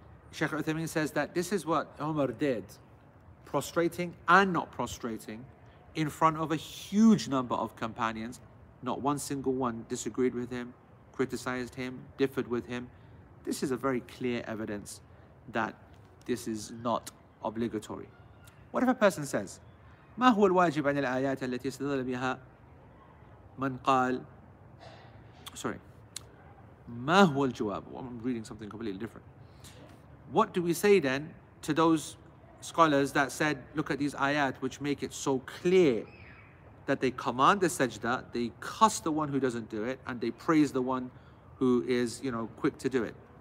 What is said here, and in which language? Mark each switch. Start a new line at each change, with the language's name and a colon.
English: Sheikh Uthameen says that this is what Umar did, prostrating and not prostrating in front of a huge number of companions. Not one single one disagreed with him, criticized him, differed with him. This is a very clear evidence that this is not obligatory. What if a person says,
Arabic: ما هو الواجب عن الآيات التي استدل بها من قال,
English: sorry,
Arabic: ما هو الجواب?
English: I'm reading something completely different. What do we say then to those scholars that said, look at these ayat which make it so clear that they command the sajda, they cuss the one who doesn't do it, and they praise the one who is, you know, quick to do it.